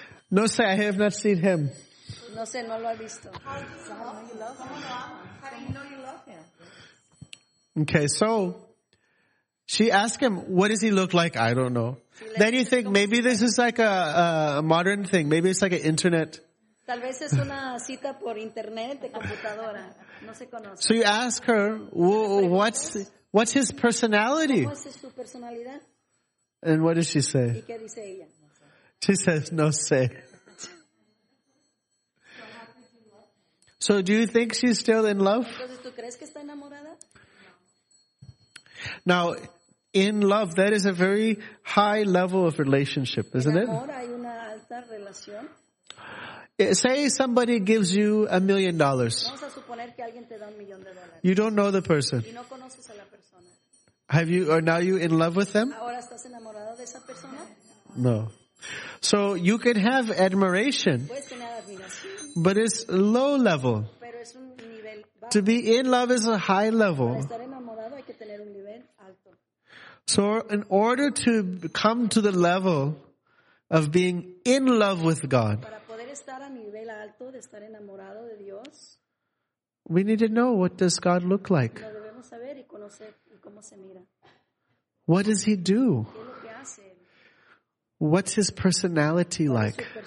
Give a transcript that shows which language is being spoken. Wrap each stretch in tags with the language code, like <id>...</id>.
<es>No sé,</es> <en>I have not seen him.</en> <es>No sé, no lo he visto.</es> <en>How do you know you love him? How do you know you love him? Okay, so she asked him, what does he look like? I don't know. Then you think, maybe this is like a modern thing. Maybe it's like an internet.</en> <es>Tal vez es una cita por internet de computadora. No se conoce.</es> <en>So you ask her, what's his personality?</en> <es>¿Cómo es su personalidad?</es> <en>And what does she say?</en> <es>¿Y qué dice ella?</es> <en>She says,</en> <es>no sé.</es> <en>So do you think she's still in love?</en> <es>Entonces, ¿tú crees que está enamorada? No.</es> <en>Now, in love, that is a very high level of relationship, isn't</en> <es>el amor,</es> <en>it?</en> <es>Hay una alta relación.</es> <en>Say somebody gives you $1 million.</en> <es>Vamos a suponer que alguien te da un millón de dólares.</es> <en>You don't know the person.</en> <es>Y no conoces a la persona.</es> <en>Have you, or now you're in love with them?</en> <es>¿Ahora estás enamorada de esa persona? No.</es> <en>So you can have admiration, but it's low level.</en> <es>Pero es un nivel bajo.</es> <en>To be in love is a high level.</en> <es>Para estar enamorado hay que tener un nivel alto.</es> <en>So in order to come to the level of being in love with God,</en> <es>para poder estar a nivel alto de estar enamorado de Dios,</es> <en>we need to know what does God look like.</en> <es>Lo debemos saber y conocer y cómo se mira.</es> <en>What does he do?</en> <es>¿Qué es lo que hace?</es> <en>What's his personality like?</en>